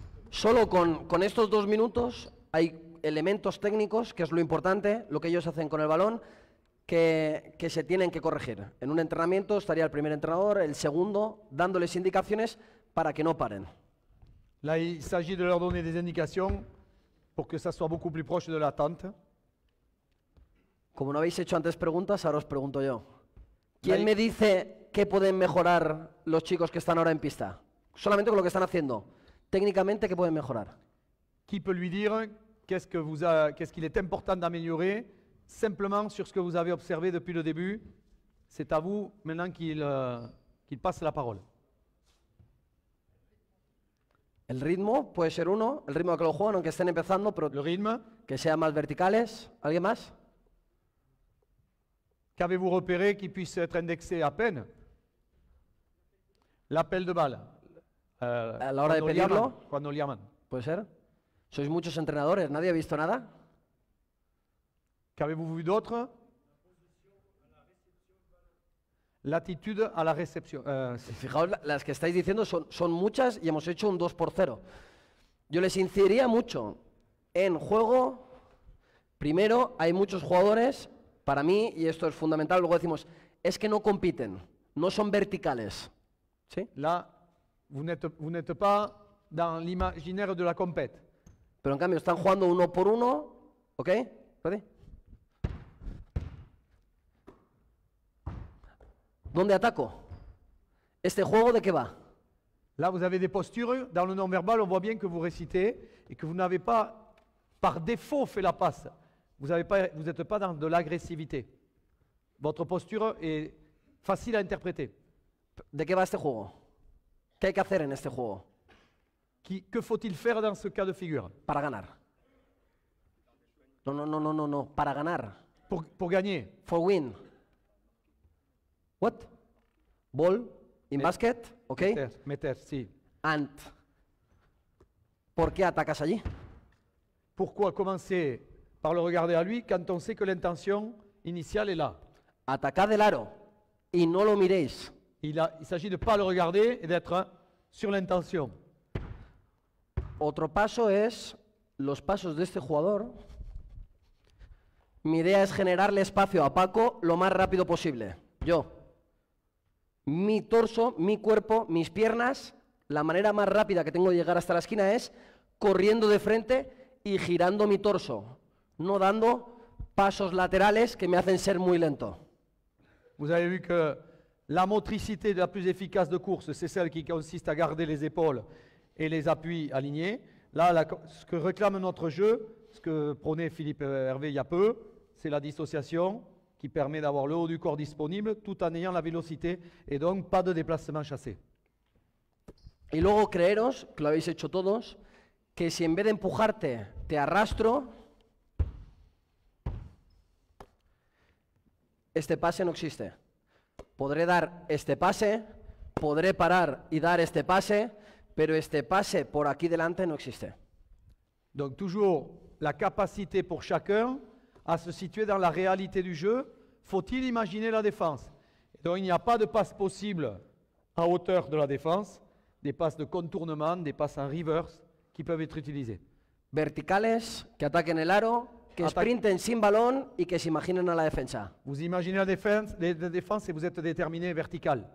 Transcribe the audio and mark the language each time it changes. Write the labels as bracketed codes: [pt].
[es] Solo con estos dos minutos hay elementos técnicos, que es lo importante, lo que ellos hacen con el balón, que se tienen que corregir. En un entrenamiento estaría el primer entrenador, el segundo, dándoles indicaciones para que no paren. [fr] Là, il s'agit de leur donner des indications pour que ça soit beaucoup plus proche de l'attente. [es] Como no habéis hecho antes preguntas, ahora os pregunto yo. ¿Quién me dice qué pueden mejorar los chicos que están ahora en pista? Solamente con lo que están haciendo. Técnicamente, ¿qué pueden mejorar? [fr] ¿Qui peut lui dire qu'est-ce qu'il est important d'améliorer simplement sur ce que vous avez observé depuis le début? C'est à vous maintenant qu'il passe la parole. [es] El ritmo puede ser uno, el ritmo que lo juegan, aunque estén empezando, pero [fr] le rythme. [es] Que sean más verticales. ¿Alguien más? [fr] Qu'avez-vous repéré qui puisse être indexé à peine? L'appel de balle. [es] A la hora de pedirlo. Cuando le llaman. ¿Puede ser? Sois muchos entrenadores, nadie ha visto nada. [fr] ¿Qu'avez-vous vu d'autre? [es] Latitud a la recepción. Fijaos, las que estáis diciendo son muchas y hemos hecho un 2-0. Yo les incidiría mucho en juego. Primero, hay muchos jugadores, para mí, y esto es fundamental, luego decimos, es que no compiten, no son verticales. ¿Sí? [fr] Là, vous n'êtes pas dans l'imaginaire de la compète. [es] Pero en cambio, están jugando uno por uno, ¿ok? [en] ¿Ready? [es] ¿Dónde ataco? ¿Este juego de qué va? [fr] Là, vous avez des postures, dans le non-verbal, on voit bien que vous récitez et que vous n'avez pas, par défaut, fait la passe. Vous avez pas, vous êtes pas dans de l'agressivité. Votre posture est facile à interpréter. [es] ¿De qué va este juego? ¿Qué hay que hacer en este juego? [fr] Que faut-il faire dans ce cas de figure? [es] Para ganar. No, para ganar. [fr] Pour gagner. [en] For win. What? Ball in basket, okay? [es] Meter, sí. And. ¿Por qué atacas allí? [fr] Pourquoi commencer par le regarder à lui quand on sait que l'intention initiale est là? [es] Atacad el aro y no lo miréis. [fr] Il s'agit de pas le regarder et d'être sur l'intention. [es] Otro paso es los pasos de este jugador. Mi idea es generarle espacio a Paco lo más rápido posible. Yo. Mi torso, mi cuerpo, mis piernas, la manera más rápida que tengo de llegar hasta la esquina es corriendo de frente y girando mi torso, no dando pasos laterales que me hacen ser muy lento. [fr] Vous avez vu que la motricité la plus efficace de course, c'est celle qui consiste à garder les épaules et les appuis alignés. Là, ce que réclame notre jeu, ce que prônait Philippe Hervé il y a peu, c'est la dissociation qui permet d'avoir le haut du corps disponible tout en ayant la vélocité et donc pas de déplacement chassé. [es] Et luego creeros, que lo habéis hecho todos, que si en vez de empujarte, te arrastro, este pase no existe. Podré dar este pase, podré parar y dar este pase, pero este pase por aquí delante no existe. [fr] Donc toujours la capacité pour chacun à se situer dans la réalité du jeu. Faut-il imaginer la défense? Donc il n'y a pas de passe possible à hauteur de la défense, des passes de contournement, des passes en reverse qui peuvent être utilisées. [es] Verticales, que ataquen el aro, que sprinten sin balón y que se imaginen a la defensa. [fr] Vous imaginez la défense, la défense et vous êtes déterminé vertical.